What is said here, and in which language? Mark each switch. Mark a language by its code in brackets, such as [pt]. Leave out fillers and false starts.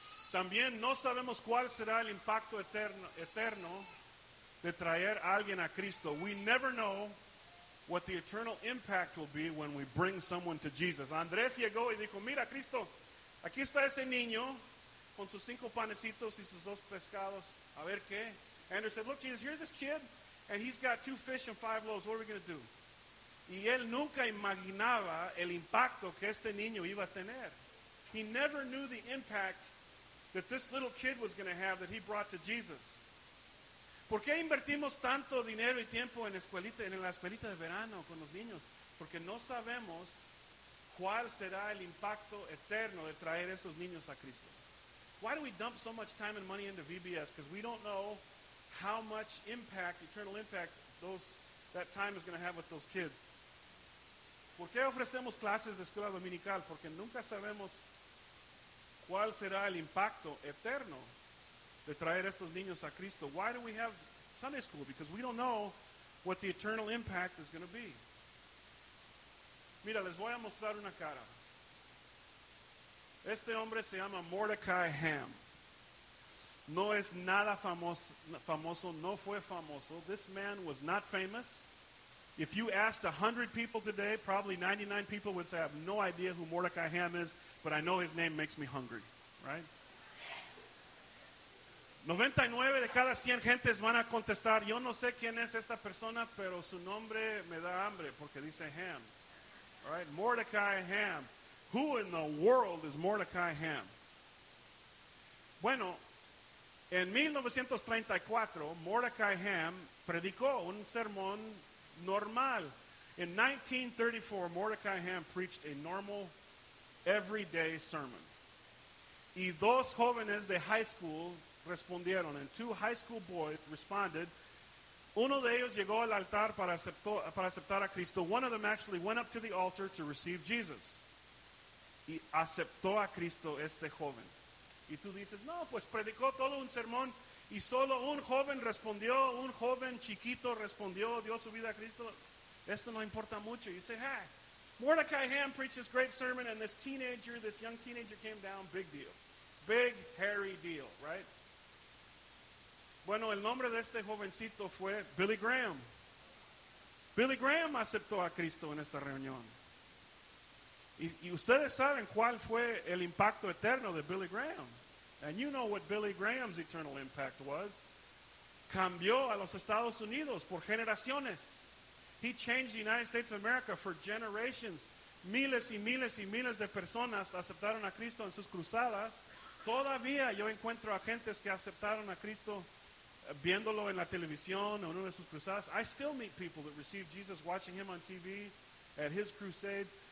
[es] También no sabemos cuál será el impacto eterno de traer a alguien a Cristo. [en] We never know what the eternal impact will be when we bring someone to Jesus. [es] Andrés llegó y dijo, "Mira, Cristo, aquí está ese niño con sus cinco panecitos y sus dos pescados. A ver qué." [en] Andrés said, "Look, Jesus, here's this kid, and he's got two fish and five loaves. What are we going to do?" [es] Y él nunca imaginaba el impacto que este niño iba a tener. [en] He never knew the impact that this little kid was going to have that he brought to Jesus. [es] ¿Por qué invertimos tanto dinero y tiempo en la escuelita de verano con los niños? Porque no sabemos cuál será el impacto eterno de traer esos niños a Cristo. [en] Why do we dump so much time and money into VBS? Because we don't know how much impact, eternal impact, that time is going to have with those kids. [es] ¿Por qué ofrecemos clases de escuela dominical? Porque nunca sabemos cuál será el impacto eterno de traer estos niños a Cristo. [en] Why do we have Sunday school? Because we don't know what the eternal impact is going to be. [es] Mira, les voy a mostrar una cara. Este hombre se llama Mordecai Ham. No es nada famoso, no fue famoso. [en] This man was not famous. If you asked 100 people today, probably 99 people would say, I have no idea who Mordecai Ham is, but I know his name makes me hungry, right? [es] 99 de cada 100 gentes van a contestar, yo no sé quién es esta persona, pero su nombre me da hambre, porque dice Ham. [en] All right, Mordecai Ham. Who in the world is Mordecai Ham? [es] Bueno, en 1934, Mordecai Ham predicó un sermón normal. [en] In 1934, Mordecai Ham preached a normal, everyday sermon. [es] Y dos jóvenes de high school respondieron, [en] and two high school boys responded. [es] Uno de ellos llegó al altar para aceptar a Cristo. [en] One of them actually went up to the altar to receive Jesus. [es] Y aceptó a Cristo este joven. Y tú dices, no, pues predicó todo un sermón y solo un joven respondió, un joven chiquito respondió, dio su vida a Cristo. Esto no importa mucho. [en] You say, hey, Mordecai Ham preached this great sermon and this teenager, this young teenager came down, big deal. Big, hairy deal, right? [es] Bueno, el nombre de este jovencito fue Billy Graham. Billy Graham aceptó a Cristo en esta reunión. Y ustedes saben cuál fue el impacto eterno de Billy Graham. [en] And you know what Billy Graham's eternal impact was. [es] Cambió a los Estados Unidos por generaciones. [en] He changed the United States of America for generations. [es] Miles y miles y miles de personas aceptaron a Cristo en sus cruzadas. Todavía yo encuentro a gentes que aceptaron a Cristo viéndolo en la televisión o en una de sus cruzadas. [en] I still meet people that received Jesus watching him on TV at his crusades.